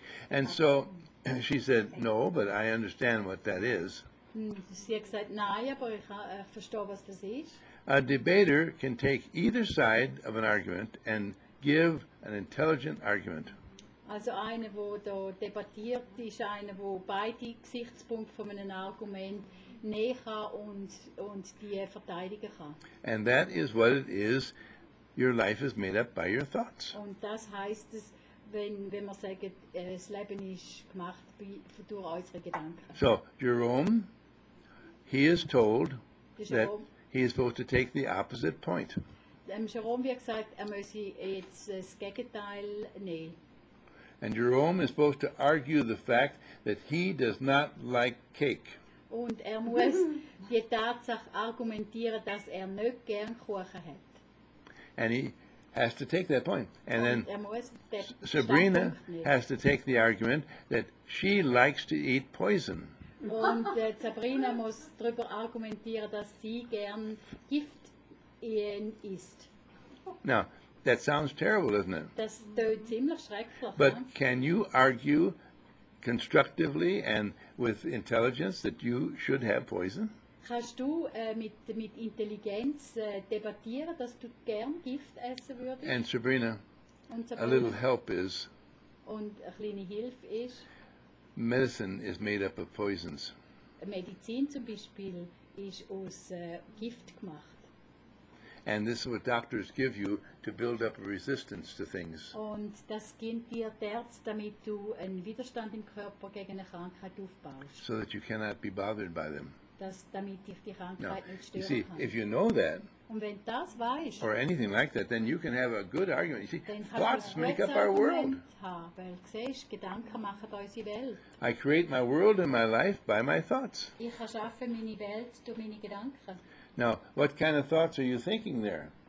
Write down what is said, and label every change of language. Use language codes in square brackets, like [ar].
[en] and so she said, no, but I understand what that is. [de] Sie hat gesagt, nein, aber ich verstehe, was das ist. [en] A debater can take either side of an argument and give an intelligent argument. [de] Also eine, wo da debattiert, ist eine, wo beide Gesichtspunkte von einem Argument nehmen kann und die verteidigen kann. [en] And that is what it is. Your life is made up by your thoughts. [de] Und das heißt es. Wenn wir sagen, das Leben ist gemacht durch unsere Gedanken. [en] So, Jerome, he is told that he is supposed to take the opposite point. [de] Jerome, wie gesagt, müsse jetzt das Gegenteil nehmen. [en] And Jerome is supposed to argue the fact that he does not like cake. [de] Und muss die Tatsache argumentieren, dass nicht gern Kuchen hat. [en] And he has to take that point. And then Sabrina has to take the argument that she likes to eat poison. [de] Und Sabrina muss darüber argumentieren, dass sie gern Gift isst. [en] Now, that sounds terrible, doesn't it? [de] Das tönt ziemlich schrecklich. [en] But can you argue constructively and with intelligence that you should have poison? [de] Kannst du mit Intelligenz debattieren, dass du gern Gift essen würdest? [en] And Sabrina, a little help is. [de] Und eine kleine Hilfe ist. [en] Medicine is made up of poisons. [de] Medizin zum Beispiel ist aus Gift gemacht. [en] And this is what doctors give you to build up a resistance to things. [de] Und das gibt dir die Ärzte, damit du einen Widerstand im Körper gegen eine Krankheit aufbaust. [en] So that you cannot be bothered by them. [de] Dass, damit ich die Krankheit [en] no. [de] nicht stören [en] you see, [de] kann. [en] If you know that, [de] und wenn das weißt, [en] or anything like that, then you can have a good argument. You see, thoughts make up [de] Argument [en] our world. [de] Haben, weil, siehst, Gedanken machen unsere Welt. [en] I create my world and my life by my thoughts. [de] Ich erschaffe meine Welt durch meine Gedanken. [en] Now, what kind of thoughts are you thinking there?